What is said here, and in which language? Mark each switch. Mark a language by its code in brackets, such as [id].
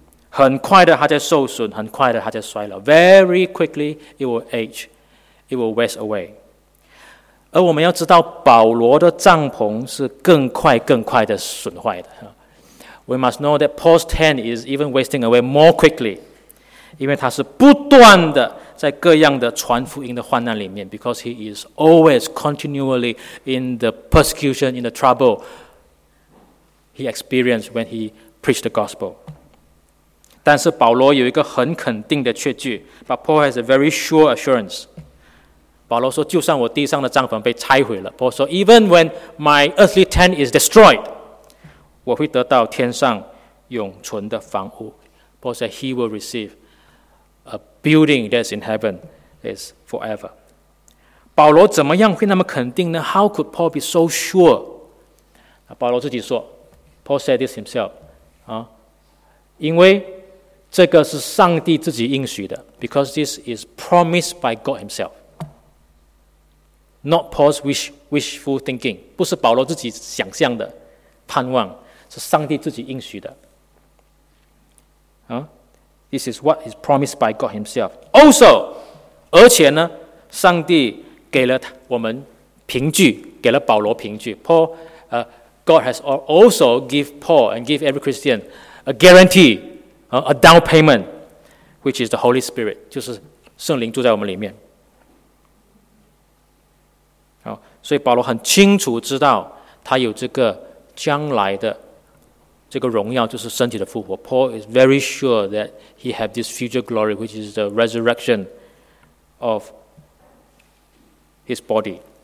[zh] 很快的它在受损，很快的它在衰老。 [en] Very quickly, it will age, it will waste away. [zh] 而我们要知道，保罗的帐篷是更快更快的损坏的。 [en] We must know that Paul's tent is even wasting away more quickly. [zh] 因为他是不断的在各样的传福音的患难里面 [en] because he is always continually in the persecution, in the trouble he experienced when he preached the gospel. [zh] 但是保罗有一个很肯定的确据 [en] but Paul has a very sure assurance. [zh] 保罗说就算我地上的帐篷被拆毁了 [en] Paul 说 even when my earthly tent is destroyed, [zh] 我会得到天上永存的房屋 [en] Paul said he will receiveBuilding that's in heaven is forever. [zh] 保罗怎么样会那么肯定呢 [en] ？How could Paul be so sure? [zh] 保罗自己说 [en] ，Paul said this himself. [zh] 因为这个是上帝自己应许的 [en] ，because this is promised by God Himself, not Paul's wishful thinking. [zh] 不是保罗自己想象的盼望，是上帝自己应许的。 [en] This is what is promised by God Himself. [zh] Also, 而且呢，上帝给了我们凭据，给了保罗凭据。 [en] Paul, God has also give Paul and give every Christian a guarantee, a down payment, which is the Holy Spirit, [zh] 就是圣灵住在我们里面。好，所以保罗很清楚知道他有这个将来的。这个荣耀就是身体的复活。 [en] Paul is very sure that he has this future glory, which is the resurrection of his body.